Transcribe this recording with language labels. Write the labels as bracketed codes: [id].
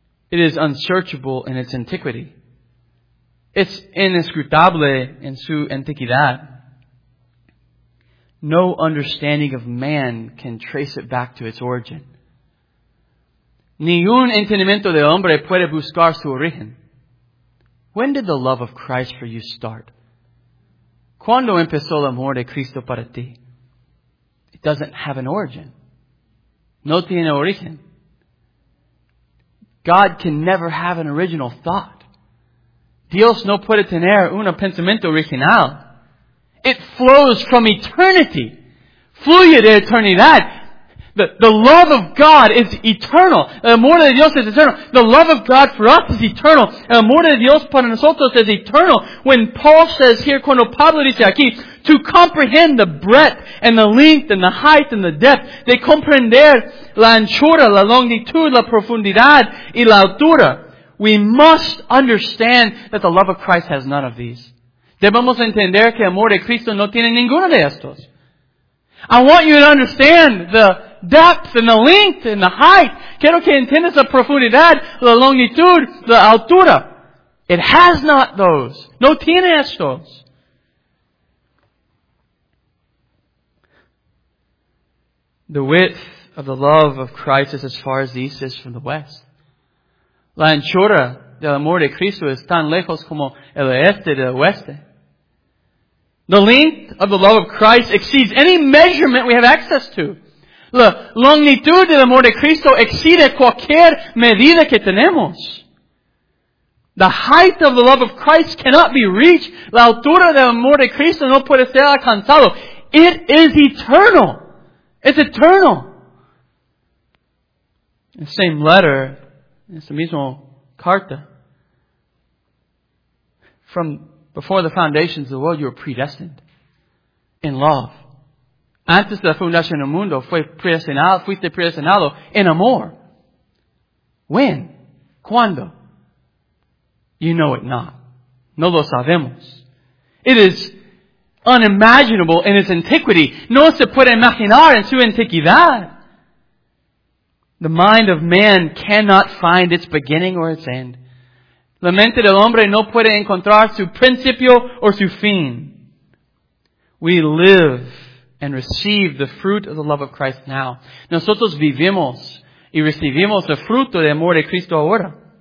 [en] It is unsearchable in its antiquity. It's [es] inescrutable en su antiquidad. [en] No understanding of man can trace it back to its origin. [es] Ni un entendimiento de hombre puede buscar su origen. [en] When did the love of Christ for you start? [es] ¿Cuándo empezó el amor de Cristo para ti? [en] It doesn't have an origin. [es] No tiene origen. [en] God can never have an original thought. [es] Dios no puede tener un pensamiento original. [en] It flows from eternity. [es] Fluye de eternidad. [en] The love of God is eternal. [es] El amor de Dios es eterno. [en] The love of God for us is eternal. [es] El amor de Dios para nosotros es eternal. [en] When Paul says here, [es] cuando Pablo dice aquí, [en] to comprehend the breadth and the length and the height and the depth, [es] de comprender la anchura, la longitud, la profundidad y la altura, [en] we must understand that the love of Christ has none of these. [es] Debemos entender que el amor de Cristo no tiene ninguno de estos. [en] I want you to understand the depth and the length and the height. [es] Quiero que entiendas la profundidad, la longitud, la altura. [en] It has not those. [es] No tiene estos. [en] The width of the love of Christ is as far as the east is from the west. [es] La anchura del amor de Cristo es tan lejos como el este del oeste. [en] The length of the love of Christ exceeds any measurement we have access to. [es] La longitud del amor de Cristo excede cualquier medida que tenemos. [en] The height of the love of Christ cannot be reached. [es] La altura del amor de Cristo no puede ser alcanzado. [en] It is eternal. It's eternal. In the same letter, in the [es] mismo carta, [en] from before the foundations of the world, you were predestined in love. [es] Antes de la fundación del mundo, fuiste predestinado en amor. [en] When? [es] ¿Cuándo? [en] You know it not. [es] No lo sabemos. [en] It is unimaginable in its antiquity. [es] No se puede imaginar en su antiquidad. [en] The mind of man cannot find its beginning or its end. [es] La mente del hombre no puede encontrar su principio o su fin. [en] We live and receive the fruit of the love of Christ now. [es] Nosotros vivimos y recibimos el fruto del amor de Cristo ahora.